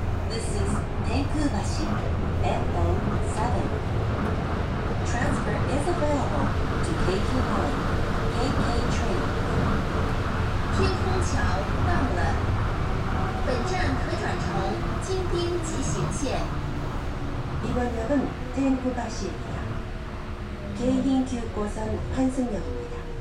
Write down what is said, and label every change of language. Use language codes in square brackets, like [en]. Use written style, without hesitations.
[en] This is 天空橋 MO7。 Transfer is available to KK9, KK Train. [zh] 天空桥到了，本站可转乘京滨急行线。 [ko] 이번역은天空橋입니다京浜急行線환승역입니다